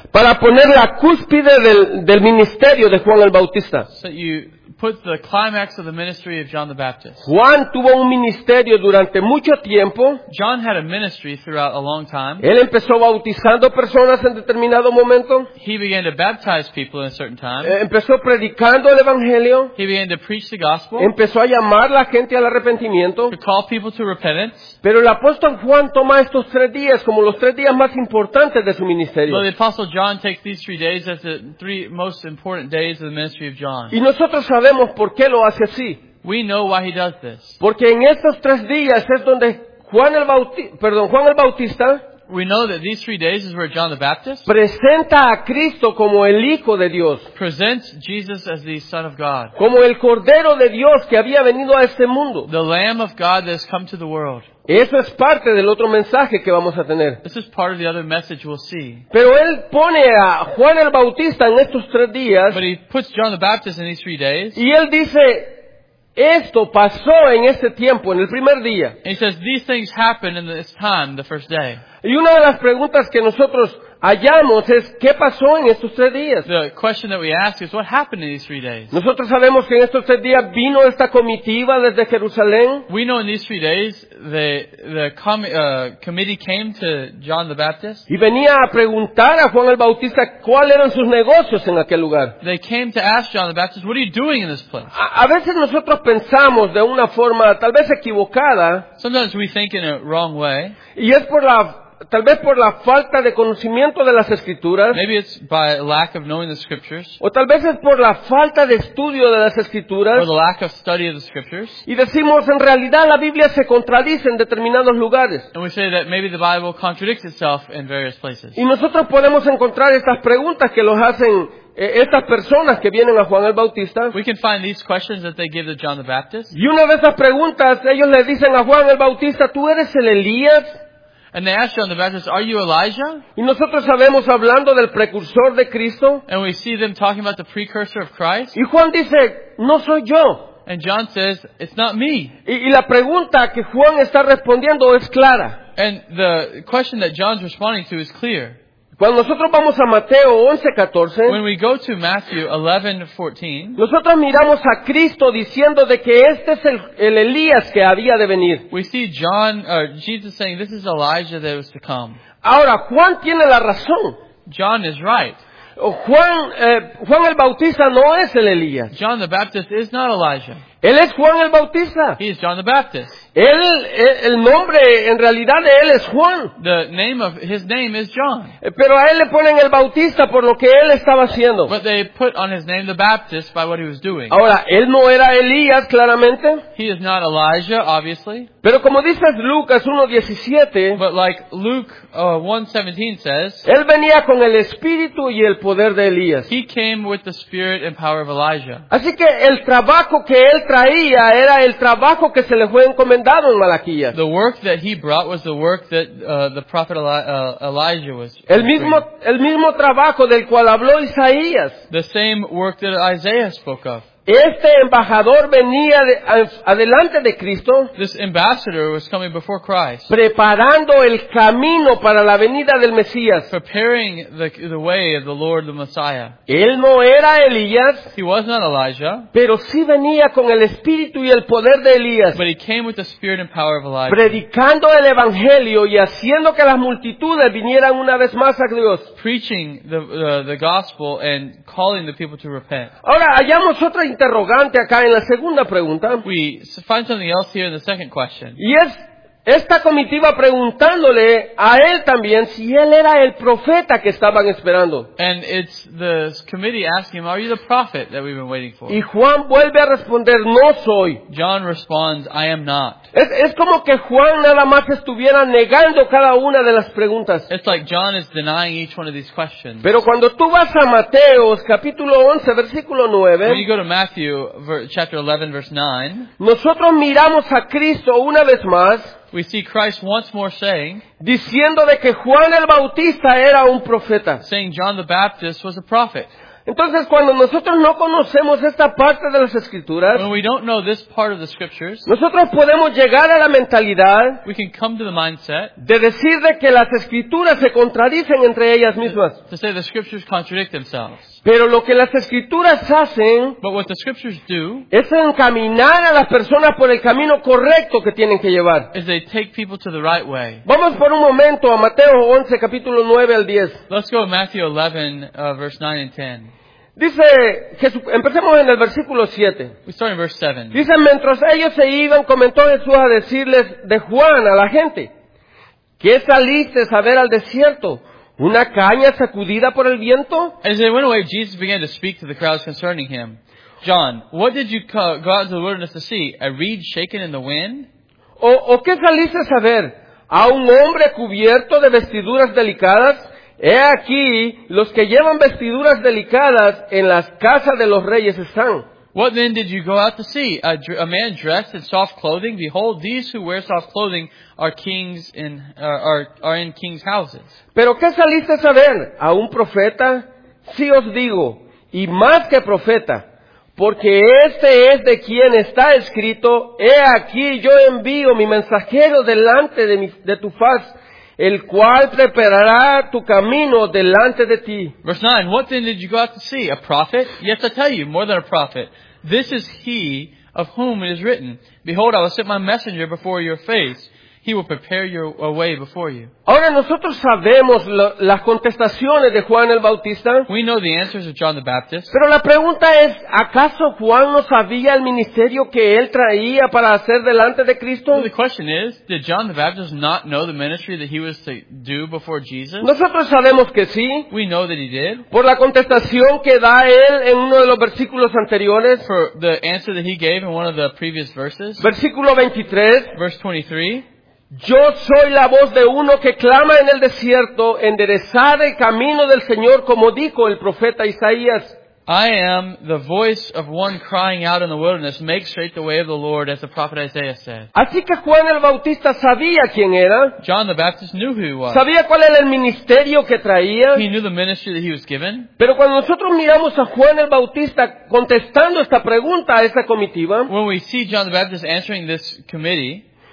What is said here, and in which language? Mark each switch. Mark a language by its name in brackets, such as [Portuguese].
[Spanish] Para poner la cúspide del ministerio de Juan el Bautista. [English] So you put the climax of the ministry of John the Baptist. [Spanish] Juan tuvo un ministerio durante mucho tiempo. [English] John had a ministry throughout a long time. [Spanish] Él empezó bautizando personas en determinado momento. [English] He began to baptize people in a certain time. [Spanish] Empezó predicando el evangelio. [English] He began to preach the gospel. [Spanish] Empezó a llamar la gente al arrepentimiento. [English] To call people to repentance. [Spanish] Pero el apóstol Juan toma estos 3 días como los 3 días más importantes de su ministerio. [English] But the apostle John takes these 3 days as the 3 most important days of the ministry of John. [Spanish] Y nosotros sabemos por qué lo hace así. [English] We know why he does this. [Spanish] Porque en estos 3 días es donde Juan el Bautista [English] we know that these 3 days is where John the Baptist [Spanish] presenta a Cristo como el Hijo de Dios, [English] presents Jesus as the Son of God, [Spanish] como el Cordero de Dios que había venido a este mundo, [English] the Lamb of God that has come to the world. [Spanish] Eso es parte del otro mensaje que vamos a tener. [English] This is part of the other message we'll see. [Spanish] Pero él pone a Juan el Bautista en estos 3 días. [English] But he puts John the Baptist in these 3 days. [Spanish] Y él dice, esto pasó en este tiempo, en el primer día. [English] And he says, these things happened in this time, the first day. [Spanish] Y una de las preguntas que nosotros hallamos es, ¿qué pasó en estos 3 días? [English] The question that we ask is, what happened in these 3 days? [Spanish] Nosotros sabemos que en estos 3 días vino esta comitiva desde Jerusalén. [English] We know in these 3 days, the committee came to John the Baptist. [Spanish] Y venía a preguntar a Juan el Bautista cuáles eran sus negocios en aquel lugar. [English] They came to ask John the Baptist, what are you doing in this place? [Spanish] A veces nosotros pensamos de una forma tal vez equivocada. [English] Sometimes we think in a wrong way. [Spanish] Y es por la... tal vez por la falta de conocimiento de las Escrituras. [English] Maybe it's by lack of knowing the Scriptures. [Spanish] O tal vez es por la falta de estudio de las Escrituras. [English] Or the lack of study of the Scriptures. [Spanish] Y decimos, en realidad la Biblia se contradice en determinados lugares. [English] And we say that maybe the Bible contradicts itself in various places. [Spanish] Y nosotros podemos encontrar estas preguntas que los hacen estas personas que vienen a Juan el Bautista. [English] We can find these questions that they give to John the Baptist. [Spanish] Y una de esas preguntas, ellos le dicen a Juan el Bautista, ¿tú eres el Elías? [English] And they ask John the Baptist, are you Elijah? [Spanish] Y nosotros sabemos hablando del precursor de Cristo. [English] And we see them talking about the precursor of Christ. [Spanish] Y Juan dice, no soy yo. [English] And John says, it's not me. [Spanish] Y la pregunta que Juan está respondiendo es clara. [English] And the question that John's responding to is clear. [Spanish] Cuando nosotros vamos a Mateo 11:14, [English] when we go to Matthew 11:14, [Spanish] nosotros miramos a Cristo diciendo de que este es el Elías que había de venir. [English] We see John, Jesus saying, this is Elijah that was to come. [Spanish] Ahora, Juan tiene la razón. [English] John is right. [Spanish] Juan el Bautista no es el Elías. [English] John the Baptist is not Elijah. [Spanish] Él es Juan el Bautista. [English] He is John the Baptist. [Spanish] Él, el nombre en realidad de él es Juan. [English] The name of his name is John. [Spanish] Pero a él le ponen el Bautista por lo que él estaba haciendo. [English] But they put on his name the Baptist by what he was doing. [Spanish] Ahora, él no era Elías claramente. [English] He is not Elijah, obviously. [Spanish] Pero como dice Lucas 1:17, [English] but like Luke 1:17 says, [Spanish] él venía con el espíritu y el poder de Elías. [English] He came with the spirit and power of Elijah. [Spanish] Así que el trabajo que él traía era el trabajo que se le fue encomendado en Malaquías. [English] The work that he brought was the work that the prophet Elijah was. [Spanish] El mismo trabajo del cual habló Isaías. [English] The same work that Isaiah spoke of. [Spanish] Este embajador venía adelante de Cristo. [English] This ambassador was coming before Christ. [Spanish] Preparando el camino para la venida del Mesías. [English] Preparing the way of the Lord, the Messiah. [Spanish] Él no era Elías. [English] He was not Elijah. [Spanish] Pero sí venía con el espíritu y el poder de Elías. [English] But he came with the spirit and power of Elijah. [Spanish] Predicando el evangelio y haciendo que las multitudes vinieran una vez más a Dios. [English] Preaching the gospel and calling the people to repent. [Spanish] Ahora hallamos otra interrogante acá en la segunda pregunta. [English] We find something else here in the second question. [Spanish] Y es esta comitiva preguntándole a él también si él era el profeta que estaban esperando. [English] And it's the committee asking him, are you the prophet that we've been waiting for? [Spanish] Y Juan vuelve a responder, no soy. [English] John responds, I am not. [Spanish] Es como que Juan nada más estuviera negando cada una de las preguntas. [English] It's like John is denying each one of these questions. [Spanish] Pero cuando tú vas a Mateo, capítulo 11, versículo 9, [English] when you go to Matthew, chapter 11, verse 9, [Spanish] nosotros miramos a Cristo una vez más. [English] We see Christ once more saying, [Spanish] diciendo de que Juan el Bautista era un profeta. [English] Saying John the Baptist was a prophet. [Spanish] Entonces, cuando nosotros no conocemos esta parte de las Escrituras, [English] when we don't know this part of the Scriptures, [Spanish] nosotros podemos llegar a la mentalidad, [English] we can come to the mindset, [Spanish] de decir de que las Escrituras se contradicen entre ellas mismas. [English] To say the Scriptures contradict themselves. [Spanish] Pero lo que las Escrituras hacen, [English] but what the Scriptures do, [Spanish] es encaminar a las personas por el camino correcto que tienen que llevar. [English] Is they take people to the right way. [Spanish] Vamos por un momento a Mateo 11, capítulo 9 al 10. [English] Let's go to Matthew 11, verse 9 and 10. [Spanish] Dice, Jesús, empecemos en el versículo 7. [English] We start in verse 7. [Spanish] Dice, mientras ellos se iban, comenzó Jesús a decirles de Juan a la gente, ¿qué saliste a ver al desierto? ¿Una caña sacudida por el viento? [English] As they went away, Jesus began to speak to the crowds concerning him. John, what did you go out into the wilderness to see? A reed shaken in the wind? [Spanish] ¿O qué saliste a ver? ¿A un hombre cubierto de vestiduras delicadas? He aquí, los que llevan vestiduras delicadas en las casas de los reyes están. [English] What then did you go out to see? A man dressed in soft clothing? Behold, these who wear soft clothing are kings in are in kings' houses. [Spanish] Pero ¿qué saliste a ver? ¿A un profeta? Sí os digo, y más que profeta, porque este es de quien está escrito, he aquí yo envío mi mensajero delante de tu faz, el cual preparará tu camino delante de ti. [English] Verse 9, what then did you go out to see? A prophet? Yes, I tell you, more than a prophet. This is he of whom it is written, behold, I will set my messenger before your face. He will prepare your way before you. [Spanish] Ahora nosotros sabemos las contestaciones de Juan el Bautista. [English] We know the answers of John the Baptist. [Spanish] Pero la pregunta es, ¿acaso Juan no sabía el ministerio que él traía para hacer delante de Cristo? [English] The question is, did John the Baptist not know the ministry that he was to do before Jesus? [Spanish] Nosotros sabemos que sí. [English] We know that he did. [Spanish] Por la contestación que da él en uno de los versículos anteriores. [English] For the answer that he gave in one of the previous verses. [Spanish] Versículo 23. [English] Verse 23. [Spanish] Yo soy la voz de uno que clama en el desierto, enderezad el camino del Señor, como dijo el profeta Isaías. [English] I am the voice of one crying out in the wilderness, make straight the way of the Lord, as the prophet Isaiah said. [Spanish] Así que Juan el Bautista sabía quién era. [English] John the Baptist knew who he was. [Spanish] Sabía cuál era el ministerio que traía. [English] He knew the ministry that he was given. [Spanish] Pero cuando nosotros miramos a Juan el Bautista contestando esta pregunta a esta comitiva, [English] when we see John the Baptist answering this committee,